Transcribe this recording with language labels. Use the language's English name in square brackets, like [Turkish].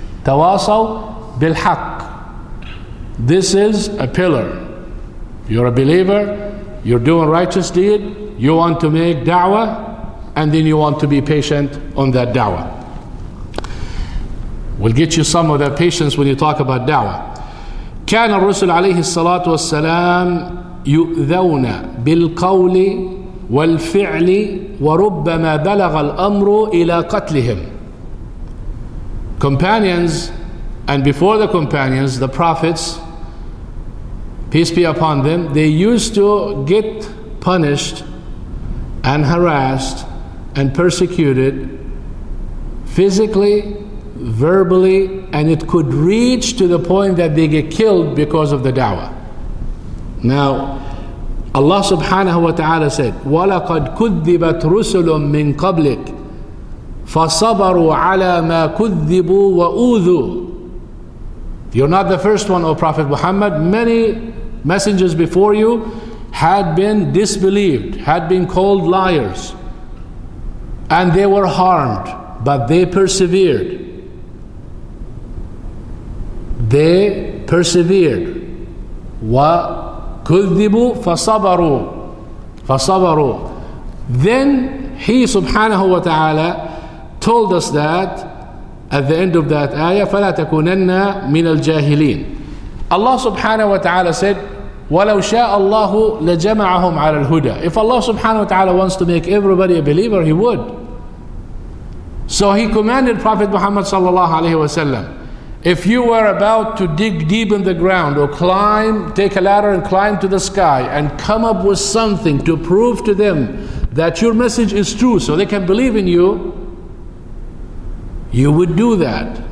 [Arabic] تواصوا بالحق. [English] This is a pillar. You're a believer. You're doing righteous deed. You want to make da'wah. And then you want to be patient on that da'wah. We'll get you some of that patience when you talk about da'wah. [Arabic] كان الرسل عليه الصلاة والسلام يؤذون بالقول والفعل وربما بلغ الأمر إلى قتلهم. [English] Companions, and before the companions, the prophets, peace be upon them, they used to get punished and harassed and persecuted physically, verbally, and it could reach to the point that they get killed because of the da'wah. Now, Allah subhanahu wa ta'ala said, [Arabic] وَلَقَدْ كُذِّبَتْ رُسُلٌ مِّن قَبْلِكَ فَصَبَرُوا عَلَى مَا كُذِّبُوا وَأُوذُوا. [English] You're not the first one, O Prophet Muhammad. Many messengers before you had been disbelieved, had been called liars, and they were harmed, but they persevered. They persevered. [Arabic] وَكُذِّبُوا فَصَبَرُوا فَصَبَرُوا. [English] Then he subhanahu wa ta'ala told us that at the end of that ayah, [Arabic] فَلَا تَكُونَنَّا مِنَ الْجَاهِلِينَ. [English] Allah subhanahu wa ta'ala said, [Arabic] وَلَوْ شَاءَ اللَّهُ لَجَمَعَهُمْ عَلَى الْهُدَى. [English] If Allah subhanahu wa ta'ala wants to make everybody a believer, he would. So he commanded Prophet Muhammad sallallahu alayhi wa sallam, if you were about to dig deep in the ground or climb, take a ladder and climb to the sky and come up with something to prove to them that your message is true so they can believe in you, you would do that.